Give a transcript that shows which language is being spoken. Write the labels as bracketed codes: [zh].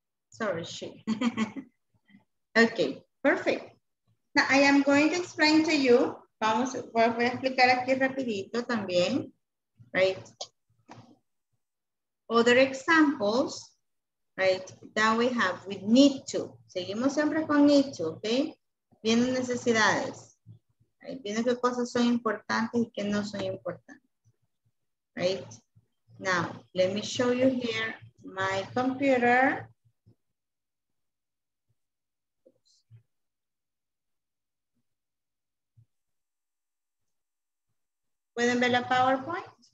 [en] Sorry, she. Okay, perfect. Now I am going to explain to you. [es] Vamos, voy a explicar aquí rapidito también. [en] Right. Other examples, right, that we have with need to. [es] Seguimos siempre con need to, okay? Viendo necesidades. Right? Viendo qué cosas son importantes y qué no son importantes. [en] Right. Now, let me show you here my computer. [es] ¿Pueden ver la PowerPoint?